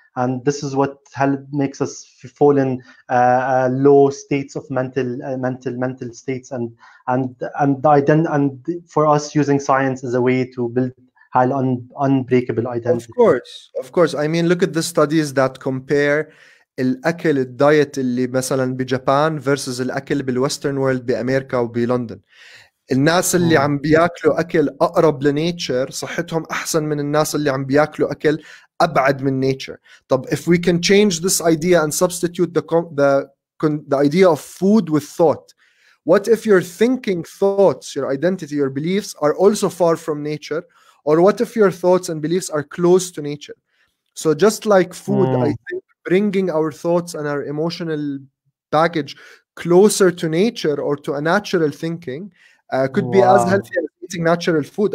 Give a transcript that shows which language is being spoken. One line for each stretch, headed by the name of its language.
English: And this is what makes us fall in low states of mental states. And for us, using science as a way to build unbreakable identity. Of course. I mean, look at the studies that compare
Arabic: الأكل الدايت اللي مثلا بجابان versus الأكل بالويسترن وورلد بأمريكا وبلندن. الناس اللي عم بياكلوا أكل أقرب لنيتشر صحتهم أحسن من الناس اللي عم بياكلوا أكل أبعد من نيتشر. طب
English: if we can change this idea and substitute the idea of food with thought, what if your thinking thoughts, your identity, your beliefs are also far from nature, or what if your thoughts and beliefs are close to nature? So just like food, I think bringing our thoughts and our emotional baggage closer to nature or to a natural thinking could be as healthy as eating natural food.